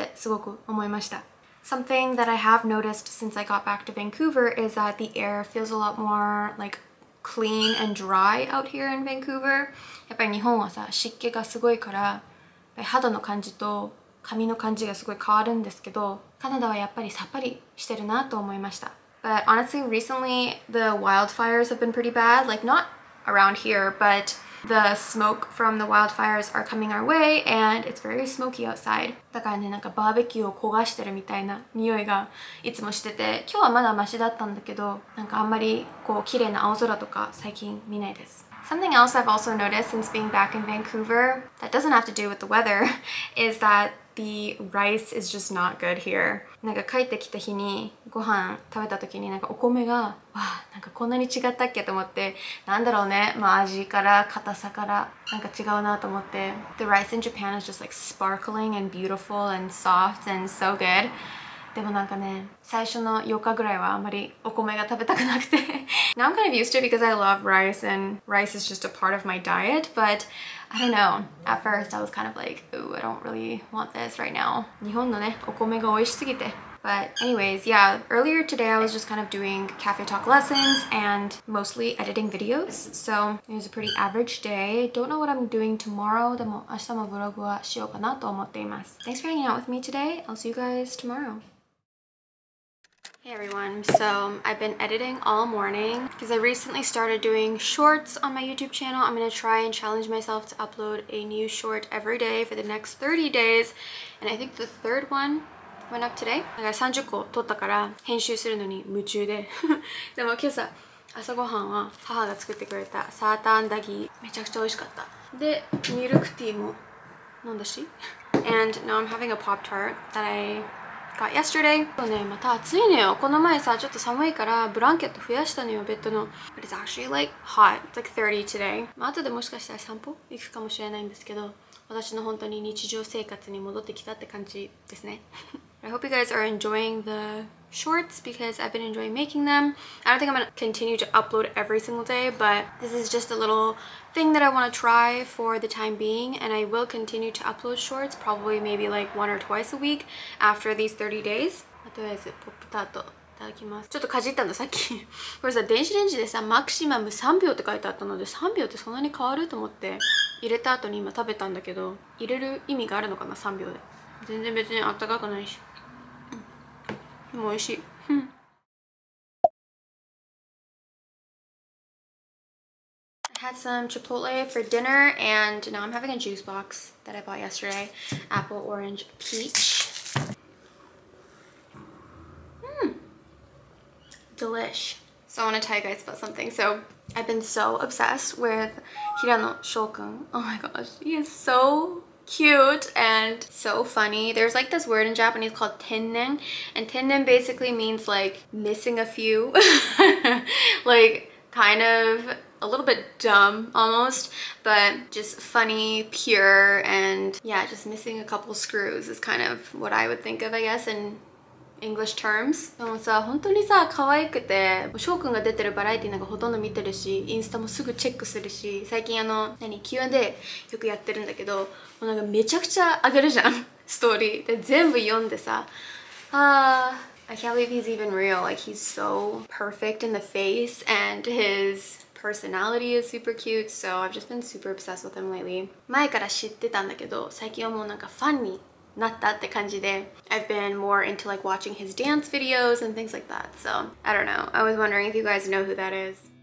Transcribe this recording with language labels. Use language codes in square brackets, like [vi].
[ja] でもちょっと今日も時間がほら夕焼け落ちてたから、ちょっと暗くなり始めちゃったけど、ちょっとでもこういう時間を作ったっていうことですごい楽しかったし、本が読めてよかったなってすごく思いました。 [en] Something that I have noticed since I got back to Vancouver is that the air feels a lot more like clean and dry out here in Vancouver. [ja] やっぱり日本はさ、湿気がすごいから、肌の感じと 髪の感じがすごい変わるんですけど、カナダはやっぱりさっぱりしてるなと思いました。 [en] But honestly, recently the wildfires have been pretty bad. Like not around here, but the smoke from the wildfires are coming our way and it's very smoky outside. [ja] だからね、なんかバーベキューを焦がしてるみたいな匂いがいつもしてて、今日はまだマシだったんだけど、なんかあんまりこう綺麗な青空とか最近見ないです。 [en] Something else I've also noticed since being back in Vancouver that doesn't have to do with the weather is that the rice is just not good here. [ja] なんか帰ってきた日にご飯食べた時になんかお米がわあなんかこんなに違ったっけと思って、なんだろうね、まあ味から硬さからなんか違うなと思って。 [en] The rice in Japan is just like sparkling and beautiful and soft and so good. [ja] でもなんかね、最初の4日ぐらいはあまりお米が食べたくなくて。 [en] Now I'm kind of used to it because I love rice and rice is just a part of my diet, but I don't know. At first I was kind of like, ooh, I don't really want this right now. [ja] 日本のね、お米が美味しすぎて。 [en] But anyways, yeah, earlier today I was just kind of doing cafe talk lessons and mostly editing videos. So it was a pretty average day. Don't know what I'm doing tomorrow. [ja] でも明日もブログはしようかなと思っています。 [en] Thanks for hanging out with me today. I'll see you guys tomorrow. Hey everyone, so I've been editing all morning because I recently started doing shorts on my YouTube channel. I'm going to try and challenge myself to upload a new short every day for the next 30 days. And I think the third onewent up today. [ja] だから30個撮ったから編集するのに夢中で。でも今朝朝ごはんは母が作ってくれたサーターアンダギー、めちゃくちゃ美味しかった。でミルクティーも飲んだし。 [en] And now I'm having a pop tart that I got yesterday. [ja] 今日ね、また暑いのよ。この前さ、ちょっと寒いからブランケット増やしたのよ、ベッドの。 [en] But it's actually like hot. It's like 30 today. [ja] まあ後でもしかしたら散歩行くかもしれないんですけど、私の本当に日常生活に戻ってきたって感じですね。 [en] I hope you guys are enjoying the shorts because I've been enjoying making them. I don't think I'm going to continue to upload every single day, but this is just a little thing that I want to try for the time being. And I will continue to upload shorts probably maybe like one or twice a week after these 30 days. [ja] とりあえずポップタートいただきます。ちょっとかじったのさっき。これさ、電子レンジでさ、マキシマム3秒って書いてあったので、3秒ってそんなに変わると思って入れた後に今食べたんだけど、入れる意味があるのかな3秒で。全然別にあったかくないし、でも美味しい。 [en] I had some chipotle for dinner and now I'm having a juice box that I bought yesterday. Apple, orange, peach. Delish. So I want to tell you guys about something. So I've been so obsessed with Hirano Shoukun. Oh my gosh, he is so... cute and so funny. There's like this word in Japanese called tennen, and tennen basically means like missing a few. Like kind of a little bit dumb almost, but just funny, pure, and yeah, just missing a couple screws is kind of what I would think of, I guess, inEnglish terms. [ja] でもさ、本当にさ、可愛くて、翔くんが出てるバラエティなんかほとんど見てるし、インスタもすぐチェックするし、最近あの、何、Q&A でよくやってるんだけど、もうなんかめちゃくちゃ上げるじゃん、ストーリー。で、全部読んでさ、 [en] I can't believe he's even real. Like, he's so perfect in the face, and his personality is super cute, so I've just been super obsessed with him lately. [ja] 前から知ってたんだけど、最近はもうなんかファンに。なったって感じで。 [en] I've been more into like watching his dance videos and things like that. So, I don't know. I was wondering if you guys know who that is.